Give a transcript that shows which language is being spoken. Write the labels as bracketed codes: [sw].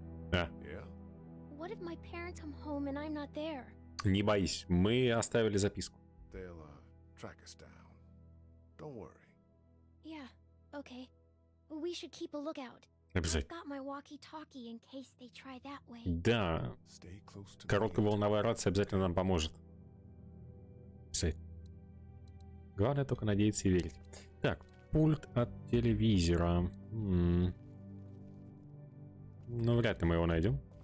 [en] What if my parents come home and I'm not there? [ru] Не боись, мы оставили записку. [en] They'll track us down. Don't worry. Yeah, okay. We should keep a lookout. [ru] Обязательно. [en] I've got my walkie-talkie in case they try that way. [ru] Да. Коротковолновая рация обязательно нам поможет. Главное только надеяться и верить. Так, пульт от телевизора. Ну, вряд ли мы его найдем.